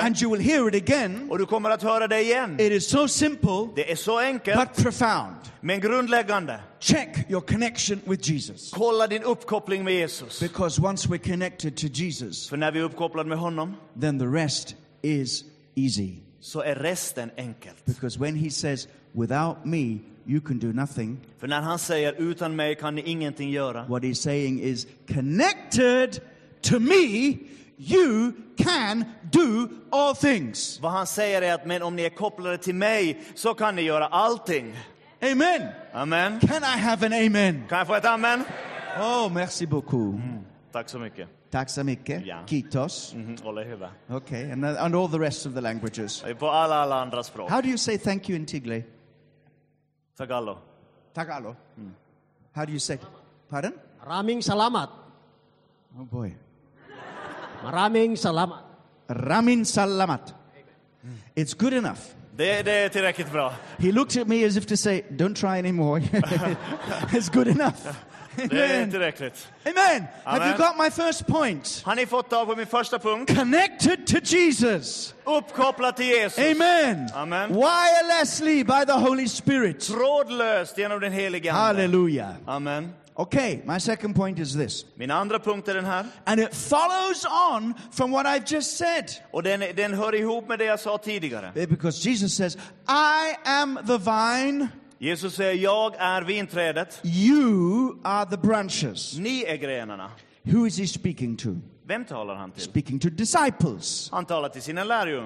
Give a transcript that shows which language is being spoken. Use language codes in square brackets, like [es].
[en] And you will hear it again. [sv] Och du kommer att höra det igen. [en] It is so simple. [sv] Det är så enkelt. [en] But profound. [sv] Men grundläggande. [en] Check your connection with Jesus. [sv] Kolla din uppkoppling med Jesus. [en] Because once we're connected to Jesus. [sv] För när vi är uppkopplade med honom. [en] Then the rest is easy. [sv] Så är resten enkelt. [en] Because when he says without me you can do nothing. [sv] För när han säger utan mig kan ni ingenting göra. [en] What he's saying is connected to me you can do all things. [sv] Vad han säger är att men om ni är kopplade till mig så kan ni göra allting. [en] Amen. [sv] Amen. [en] Can I have an amen? [sv] Kan jag få ett amen? [fr] Oh, merci beaucoup. [sv] Tack så mycket. Tack så mycket. Ja. [fi] Kitos. Olé hyvä. [en] Okay, and all the rest of the languages. [sv] På alla andra språk. [en] How do you say thank you in Tigle? Tagalo. Tagalo. How do you say? Pardon? [tl] Maraming salamat. [en] Oh boy. [tl] Maraming salamat. Ramin salamat. [en] It's good enough. [sv] Det är tillräckligt bra. [en] He looked at me as if to say, don't try anymore. It's good enough. [sv] Amen. Det är tillräckligt. [en] Amen. Have you got my first point? [sv] Har ni fått tag på min första punkt? [en] Connected to Jesus. [sv] Uppkopplat till Jesus. [en] Amen. [sv] Amen. [en] Wirelessly by the Holy Spirit. [sv] Trådlöst genom den helige Ande. [en] Hallelujah. [sv] Amen. [en] Okay, my second point is this. [sv] Min andra punkt är den här. [en] And it follows on from what I've just said. [sv] Och den hör ihop med det jag sa tidigare. [en] Because Jesus says, I am the vine. [sv] Jesus säger, jag är vinträdet. [en] You are the branches. [sv] Ni är grenarna. [en] Who is he speaking to? [sv] Vem talar han till? [en] Speaking to disciples. [sv] Han talar till sina lärjungar.